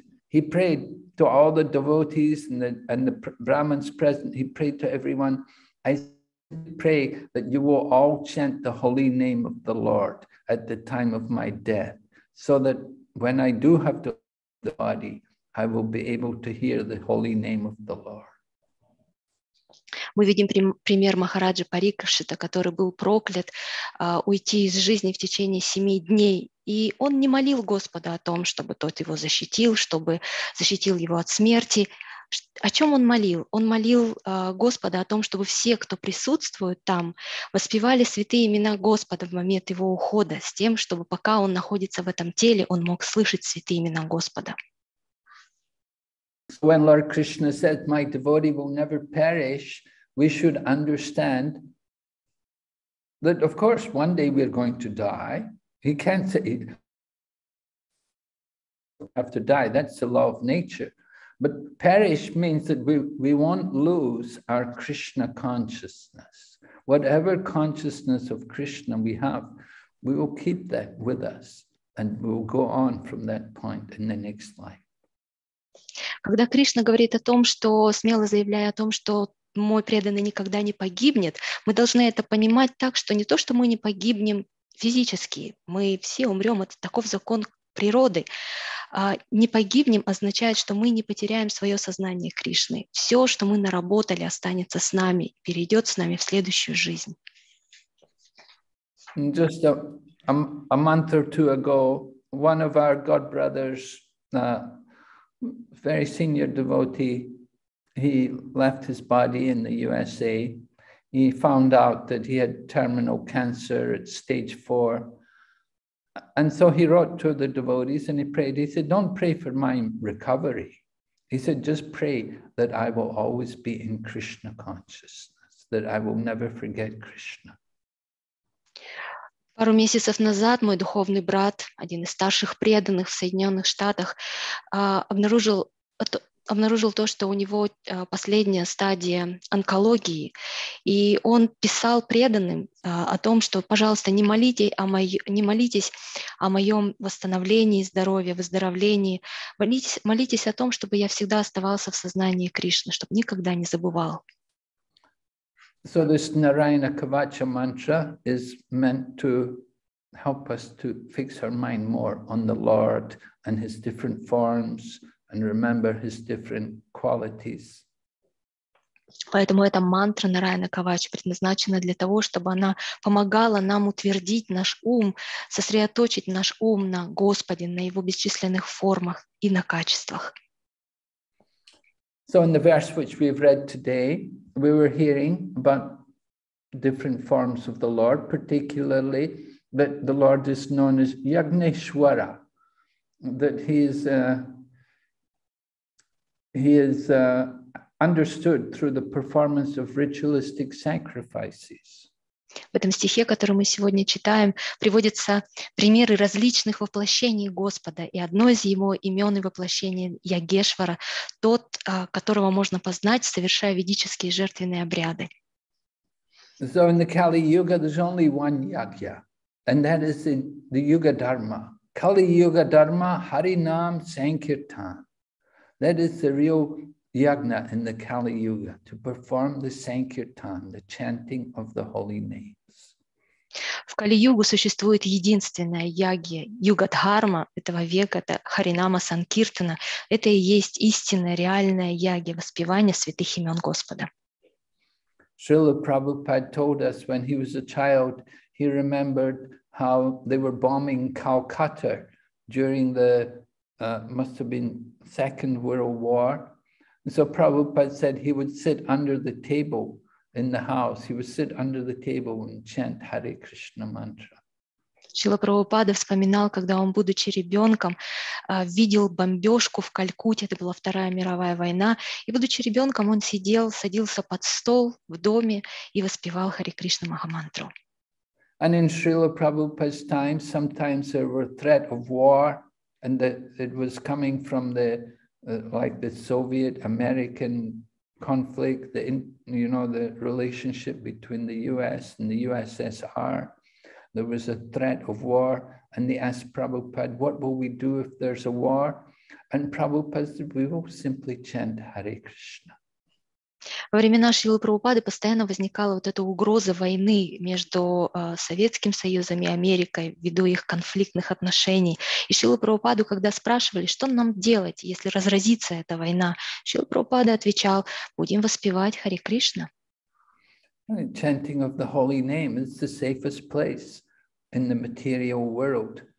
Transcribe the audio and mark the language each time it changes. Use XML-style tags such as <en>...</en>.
<en>He prayed to all the devotees and the Brahmins present. He prayed to everyone. I pray that you will all chant the holy name of the Lord at the time of my death, so that when I do have to leave the body, I will be able to hear the holy name of the Lord.</en> <ru>Мы видим пример Махараджи Парикшита, который был проклят уйти из жизни в течение 7 дней. И он не молил Господа о том, чтобы тот его защитил, чтобы защитил его от смерти. О чем он молил? Он молил Господа о том, чтобы все, кто присутствует там, воспевали святые имена Господа в момент его ухода, с тем, чтобы пока он находится в этом теле, он мог слышать святые имена Господа.</ru> <en>When Lord Krishna said, my devotee will never perish, we should understand that, of course, one day we're going to die. He can't say it. We have to die. That's the law of nature. But perish means that we won't lose our Krishna consciousness. Whatever consciousness of Krishna we have, we will keep that with us. And we will go on from that point in the next life.</en> <ru>Когда Кришна говорит о том, что, смело заявляя о том, что мой преданный никогда не погибнет, мы должны это понимать так, что не то, что мы не погибнем физически, мы все умрем, это таков закон природы. Не погибнем означает, что мы не потеряем свое сознание Кришны. Все, что мы наработали, останется с нами, перейдет с нами в следующую жизнь.</ru> <en>Just a month or two ago, one of our God brothers, very senior devotee, he left his body in the USA. He found out that he had terminal cancer at stage 4. And so he wrote to the devotees and he prayed. He said, don't pray for my recovery. He said, just pray that I will always be in Krishna consciousness, that I will never forget Krishna.</en> <ru>Пару месяцев назад мой духовный брат, один из старших преданных в Соединенных Штатах, обнаружил то, что у него последняя стадия онкологии. И он писал преданным о том, что, пожалуйста, не молитесь о моем восстановлении здоровья, выздоровлении. Молитесь о том, чтобы я всегда оставался в сознании Кришны, чтобы никогда не забывал.</ru> <en>So this Narayana Kavacha mantra is meant to help us to fix our mind more on the Lord and his different forms and remember his different qualities.</en> <ru>Поэтому эта мантра Нараяна Кавача предназначена для того, чтобы она помогала нам утвердить наш ум, сосредоточить наш ум на Господе, на его бесчисленных формах и на качествах.</ru> <en>So in the verse which we've read today, we were hearing about different forms of the Lord, particularly that the Lord is known as Yagneshwara, that he is understood through the performance of ritualistic sacrifices.</en> <ru>В этом стихе, который мы сегодня читаем, приводятся примеры различных воплощений Господа, и одно из его имен и воплощений – Ягешвара, тот, которого можно познать, совершая ведические жертвенные обряды.</ru> <en>So in the Kali-Yuga there's only one Yagya, and that is in the Yuga-Dharma. Kali-Yuga-Dharma Harinam Sankirtan. That is the real Yagna in the Kali Yuga, to perform the Sankirtan, the chanting of the holy names.</en> <ru>В Кали-Югу существует единственная Ягья, Юга-Дхарма этого века, это Харинама Санкиртана. Это и есть истинная, реальная Ягья, воспевание святых имен Господа.</ru> <en>Srila Prabhupada told us when he was a child, he remembered how they were bombing Calcutta during the must have been Second World War. And so Prabhupada said he would sit under the table in the house. He would sit under the table and chant Hare Krishna mantra.</en> <ru>Шрила Прабхупада вспоминал, когда он, будучи ребенком, видел бомбежку в Калькутте, это была Вторая мировая война, и, будучи ребенком, он сидел, садился под стол в доме и воспевал Хари Кришна Махамантру.</ru> <en>And in Srila Prabhupada's time, sometimes there were threat of war, and that it was coming from the, like the Soviet-American conflict, the, you know, the relationship between the US and the USSR. There was a threat of war, and they asked Prabhupada, what will we do if there's a war? And Prabhupada said, we will simply chant Hare Krishna.</en> <ru>Во времена Шрилы Прабхупады постоянно возникала вот эта угроза войны между Советским Союзом и Америкой ввиду их конфликтных отношений. И Шрилу Прабхупаду, когда спрашивали, что нам делать, если разразится эта война, Шрила Прабхупада отвечал, будем воспевать Hare Krishna.</ru> <en>Chanting of the holy name is the safest place in the material world.</en>